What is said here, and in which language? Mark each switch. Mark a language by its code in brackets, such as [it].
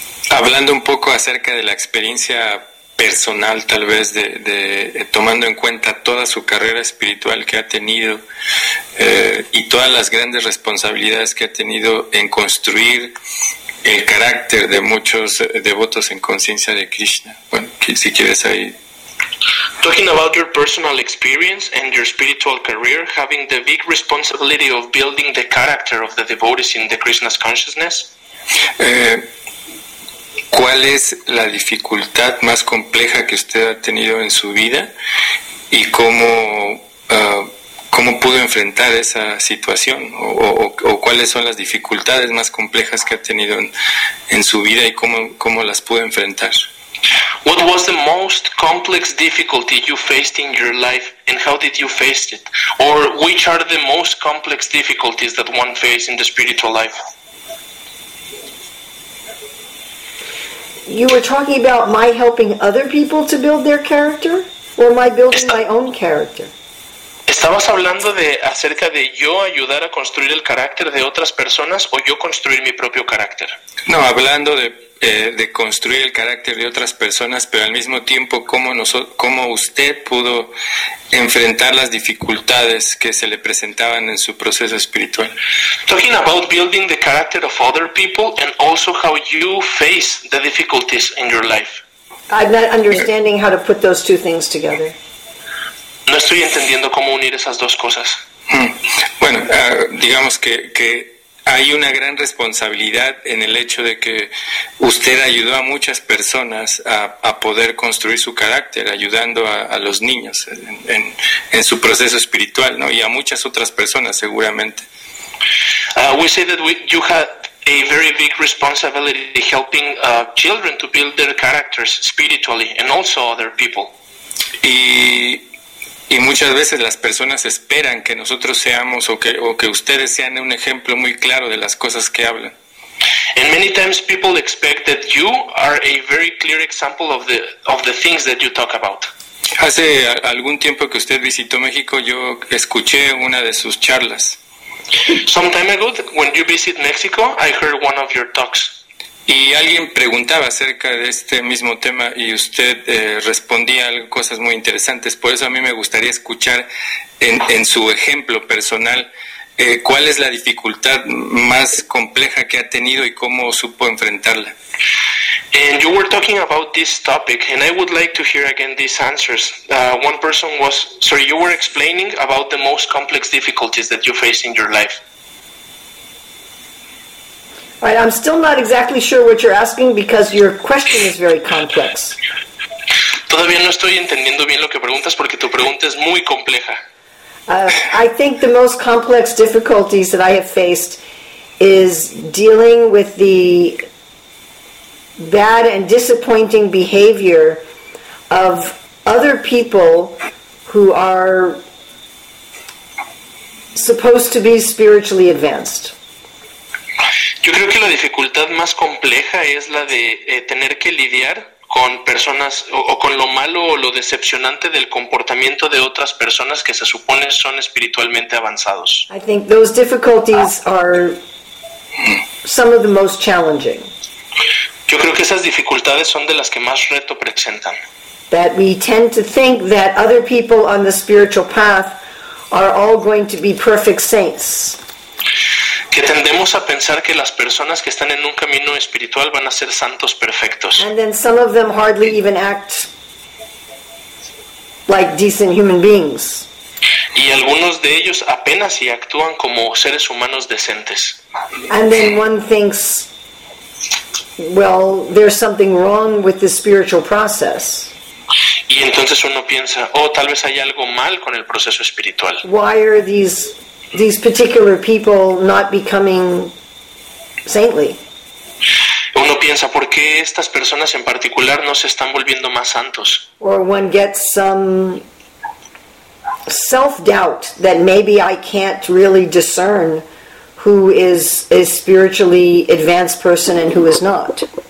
[es] Hablando un poco acerca de la experiencia personal, tal vez de tomando en cuenta toda su carrera espiritual que ha tenido y todas las grandes responsabilidades que ha tenido en construir el carácter de muchos devotos en conciencia de Krishna. Bueno, si quieres ahí. [en] Talking about your personal experience and your spiritual career, having the big responsibility of building the character of the devotees in the Krishna's consciousness. [es] ¿Cuál es la dificultad más compleja que usted ha tenido en su vida y cómo pudo enfrentar esa situación o cuáles son las dificultades más complejas que ha tenido en su vida y cómo las pudo enfrentar? [en] What was the most complex difficulty you faced in your life and how did you face it? Or which are the most complex difficulties that one faces in the spiritual life? You were talking about my helping other people to build their character, or my building my own character. [es] Estabas hablando de acerca de yo ayudar a construir el carácter de otras personas o yo construir mi propio carácter. No, hablando de construir el carácter de otras personas, pero al mismo tiempo cómo usted pudo enfrentar las dificultades que se le presentaban en su proceso espiritual. [en] Talking about building the character of other people and also how you face the difficulties in your life. I'm not understanding how to put those two things together. [es] No estoy entendiendo cómo unir esas dos cosas. Bueno, digamos que hay una gran responsabilidad en el hecho de que usted ayudó a muchas personas a poder construir su carácter, ayudando a los niños en su proceso espiritual, ¿no? Y a muchas otras personas, seguramente. [en] We say that you had a very big responsibility helping children to build their characters spiritually and also other people. [es] Y muchas veces las personas esperan que nosotros seamos o que ustedes sean un ejemplo muy claro de las cosas que hablan. [en] And many times people expect that you are a very clear example of the things that you talk about. [es] Hace algún tiempo que usted visitó México, yo escuché una de sus charlas. [en] Some time ago, when you visit Mexico, I heard one of your talks. [es] Y alguien preguntaba acerca de este mismo tema y usted respondía cosas muy interesantes. Por eso a mí me gustaría escuchar en su ejemplo personal cuál es la dificultad más compleja que ha tenido y cómo supo enfrentarla. [en] And you were talking about this topic, and I would like to hear again these answers. You were explaining about the most complex difficulties that you face in your life. Right, I'm still not exactly sure what you're asking because your question is very complex. [es] Todavía no estoy entendiendo bien lo que preguntas porque tu pregunta es muy compleja. [en] I think the most complex difficulties that I have faced is dealing with the bad and disappointing behavior of other people who are supposed to be spiritually advanced. [es] Yo creo que la dificultad más compleja es la de tener que lidiar con personas o con lo malo o lo decepcionante del comportamiento de otras personas que se supone son espiritualmente avanzados. [en] I think those difficulties are some of the most challenging. [es] Yo creo que esas dificultades son de las que más reto presentan. [en] That we tend to think that other people on the spiritual path are all going to be perfect saints. [es] Que tendemos a pensar que las personas que están en un camino espiritual van a ser santos perfectos. [en] And then some of them hardly even act like decent human beings. [es] Y algunos de ellos apenas si actúan como seres humanos decentes. [en] And then one thinks, well, there's something wrong with the spiritual process. [es] Y entonces uno piensa, oh, tal vez hay algo mal con el proceso espiritual. [en] Why are these particular people not becoming saintly? [es] Uno piensa, ¿por qué estas personas en particular no se están volviendo más santos? [en] Or one gets some self-doubt that maybe I can't really discern who is a spiritually advanced person and who is not.